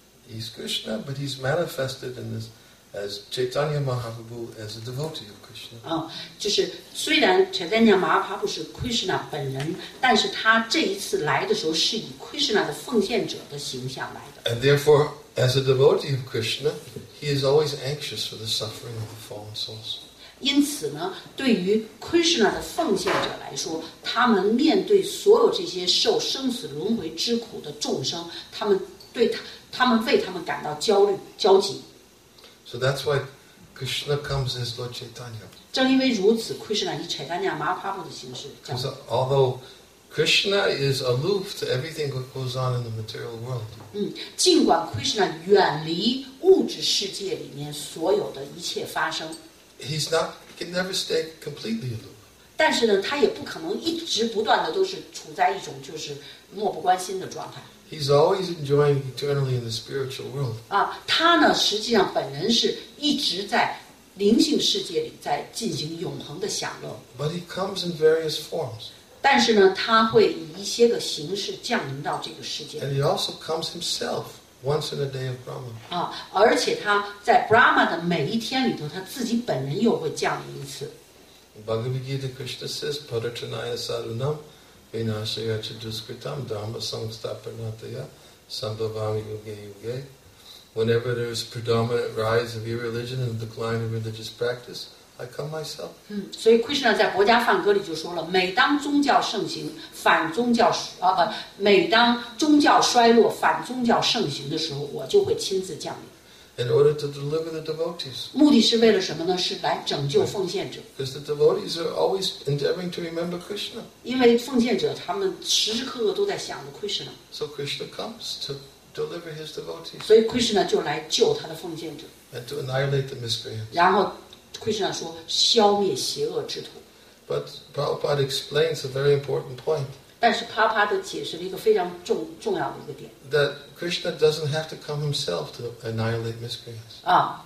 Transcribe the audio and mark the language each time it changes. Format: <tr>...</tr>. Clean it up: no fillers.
<en>He's Krishna, but he's manifested in this as Chaitanya Mahaprabhu as a devotee of Krishna.</en> <zh>就是虽然 Chaitanya Mahaprabhu 是 Krishna 本人，但是他这一次来的时候是以 Krishna 的奉献者的形象来的。</zh> <en>And therefore, as a devotee of Krishna. He is always anxious for the suffering of the fallen souls.</en> <zh>因此呢，对于 Krishna 的奉献者来说，他们面对所有这些受生死轮回之苦的众生，他们对他，他们为他们感到焦虑、焦急。</zh> <en>So that's why Krishna comes as Lord Chaitanya.</en> <zh>正因为如此 ，Krishna 以 Chaitanya Mahaprabhu 的形式降临。</zh> <en>Because although Krishna is aloof to everything that goes on in the material world.</en> <zh>尽管 Krishna 远离物质世界里面所有的一切发生。</zh> <en>He's not, can never stay completely aloof.</en> <zh>但是呢，他也不可能一直不断的都是处在一种就是漠不关心的状态。</zh> <en>He's always enjoying eternally in the spiritual world.</en> <zh>他呢，实际上本人是一直在灵性世界里在进行永恒的享乐。</zh> <en>But he comes in various forms.</en> <zh>但是呢，他会以一些个形式降临到这个世界。</zh> <en>And he also comes himself once in a day of Brahma.</en> <zh>而且他在 Brahma 的每一天里头，他自己本人又会降临一次。</zh> <en>Bhagavad Gita Krishna says,</en> <sa>"Padatranaya sadunam vinashaya chaduskritam dharma samstapanataya sambhavami yoge yoge."</sa> <en>Whenever there is predominant rise of irreligion and decline of religious practice. I come myself.</en> <zh>所以 Krishna 在《国家梵歌》里就说了，每当宗教盛行，反宗教每当宗教衰落，反宗教盛行的时候，我就会亲自降临。</zh> <en>In order to deliver the devotees.</en> <zh>目的是为了什么呢？是来拯救奉献者。</zh> <en>Because the devotees are always endeavoring to remember Krishna.</en> <zh>因为奉献者他们时时刻刻都在想着 Krishna.</zh> <en>So Krishna comes to deliver his devotees.</en> <zh>所以 Krishna 就来救他的奉献者。</zh> <en>And to annihilate the miscreants.</en> <zh>然后。Krishna 说消灭邪恶之徒。</zh> <en>But Prabhupada explains a very important point.</en> <zh>但是帕帕的解释了一个非常重要的一个点。</zh> <en>That Krishna doesn't have to come himself to annihilate miscreants.</en>